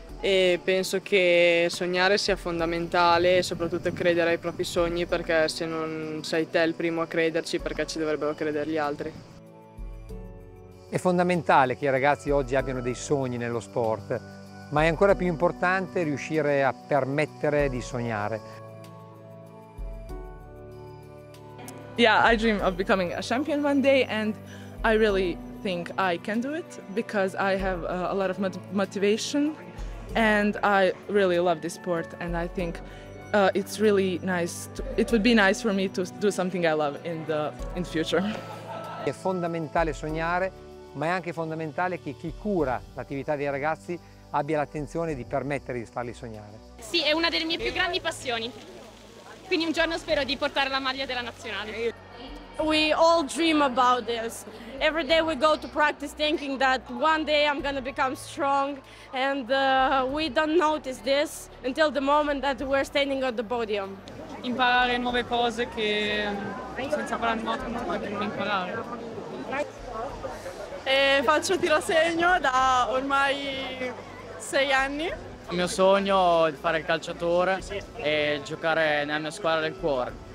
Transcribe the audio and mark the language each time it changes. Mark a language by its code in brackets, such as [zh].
[it] E penso che sognare sia fondamentale e soprattutto credere ai propri sogni, perché se non sei te il primo a crederci, perché ci dovrebbero credere gli altri. È fondamentale che i ragazzi oggi abbiano dei sogni nello sport, ma è ancora più importante riuscire a permettere di sognare. [en] Yeah, I dream of becoming a champion one day and I really think I can do it because I have a lot of motivation. And I really love this sport and I think it's really nice, it would be nice for me to do something I love in the future. [it] È fondamentale sognare, ma è anche fondamentale che chi cura l'attività dei ragazzi abbia l'attenzione di permettere di farli sognare. Sì, è una delle mie più grandi passioni, quindi un giorno spero di portare la maglia della nazionale. [en] We all dream about this. Every day we go to practice thinking that one day I'm gonna become strong, and we don't notice this until the moment that we're standing on the podium. [it] Imparare nuove cose che senza fare il moto non puoi più imparare. E faccio tiro a segno da ormai 6 anni. Il mio sogno è di fare il calciatore e giocare nella mia squadra del cuore.